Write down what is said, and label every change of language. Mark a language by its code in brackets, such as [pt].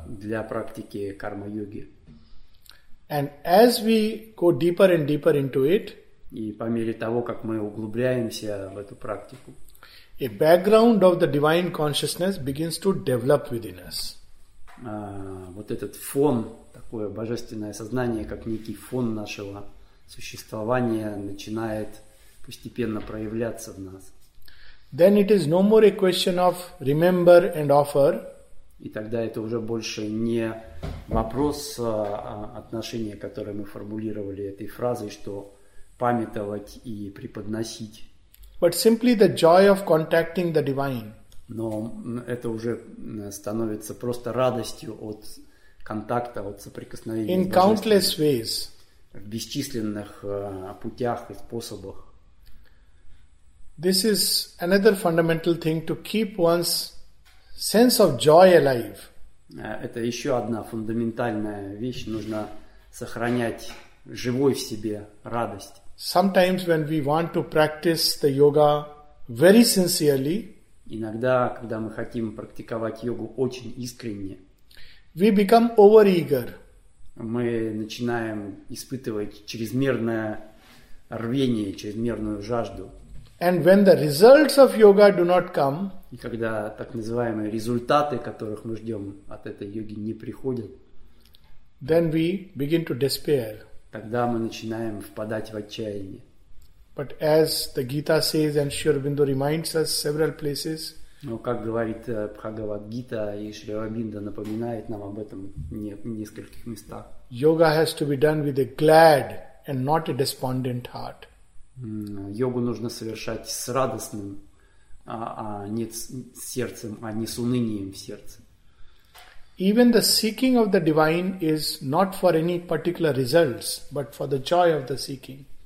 [ru] Для практики карма-йоги. [en] And as we go deeper and deeper into it, [ru] и по мере того, как мы углубляемся в эту практику, [en] a background of the divine consciousness begins to develop within us. [ru] Вот этот фон, такое божественное сознание, как некий фон нашего существования, начинает постепенно проявляться в нас. [en] Then it is no more a question of remember and offer. [ru] И тогда это уже больше не вопрос отношения, которое мы формулировали этой фразой, что памятовать и преподносить. [en] But simply the joy of contacting the divine. [ru] Но это уже становится просто радостью от контакта, от соприкосновения. [en] In countless ways. [ru] В бесчисленных путях и способах. [en] This is another fundamental thing to keep one's sense of joy alive. [ru] Это еще одна фундаментальная вещь. Нужно сохранять живой в себе радость. [en] Sometimes when we want to practice the yoga very sincerely, [ru] иногда, когда мы хотим практиковать йогу очень искренне, [en] we become over-eager. [ru] Мы начинаем испытывать чрезмерное рвение, чрезмерную жажду. [en] And when the results of yoga do not come, [ru] и когда так называемые результаты, которых мы ждем от этой йоги, не приходят, [en] then we begin to despair. [ru] Тогда мы начинаем впадать в отчаяние. [en] But as the Gita says, and Sri Aurobindo reminds us several places, [ru] но как говорит Бхагавад-гита, и Шри Аурабинда напоминает нам об этом в нескольких местах. [en] Yoga has to be done with a glad and not a despondent heart. [ru] Йогу нужно совершать с радостным, не с сердцем, а не с унынием в сердце. [en] Even the seeking of the divine is not for any particular results, but for the joy of the seeking.